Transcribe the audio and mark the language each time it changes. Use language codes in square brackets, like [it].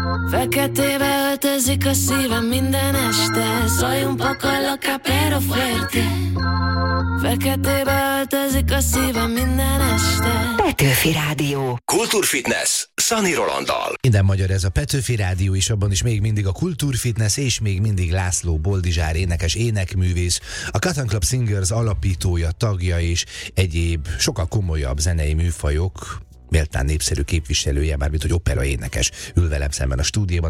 [hu] Feketébe öltözik a szívem minden este. [es] Soy un poco loca, pero fuerte. [hu] Feketébe öltözik a szívem minden este. Petőfi Rádió. Kulturfitness. Sunny Rolanddal. Minden magyar, ez a Petőfi Rádió, és abban is még mindig a Kulturfitness, és még mindig László Boldizsár, énekes, énekművész, a Cotton Club Singers alapítója, tagja és egyéb sokkal komolyabb zenei műfajok méltán népszerű képviselője, mármint hogy opera énekes, ül velem szemben a stúdióban.